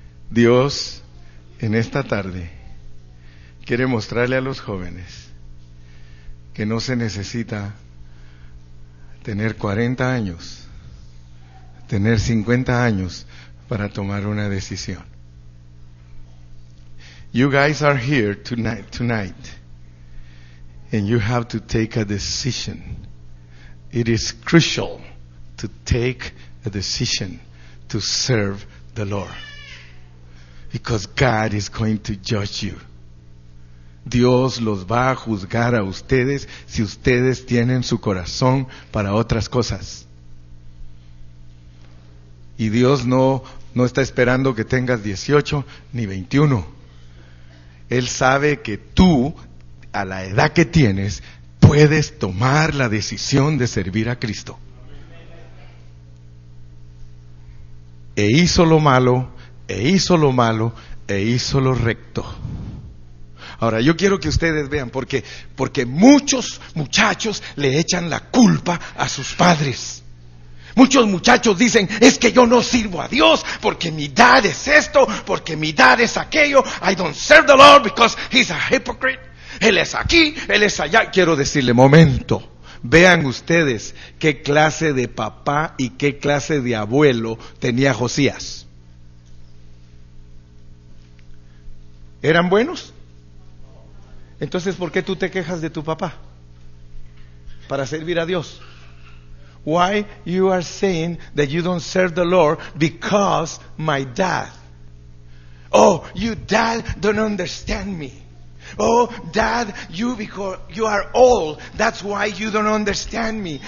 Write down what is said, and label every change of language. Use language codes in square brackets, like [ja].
[es] Dios, en esta tarde, quiere mostrarle a los jóvenes que no se necesita tener 40 años, tener 50 años para tomar una decisión. [en] You guys are here tonight, and you have to take a decision. It is crucial to take a decision to serve the Lord, because God is going to judge you. [es] Dios los va a juzgar a ustedes si ustedes tienen su corazón para otras cosas. Y Dios no está esperando que tengas 18 ni 21. Él sabe que tú, a la edad que tienes, puedes tomar la decisión de servir a Cristo. E hizo lo malo, e hizo lo malo, e hizo lo recto. Ahora, yo quiero que ustedes vean, porque muchos muchachos le echan la culpa a sus padres. Muchos muchachos dicen, es que yo no sirvo a Dios, porque mi dad es esto, porque mi dad es aquello. [en] I don't serve the Lord because he's a hypocrite. [es] Él es aquí, él es allá. Quiero decirle, momento, vean ustedes qué clase de papá y qué clase de abuelo tenía Josías. ¿Eran buenos? Entonces, ¿por qué tú te quejas de tu papá? Para servir a Dios. [en] Why you are saying that you don't serve the Lord because my dad? Oh, you dad don't understand me. Oh, dad, you because you are old, that's why you don't understand me.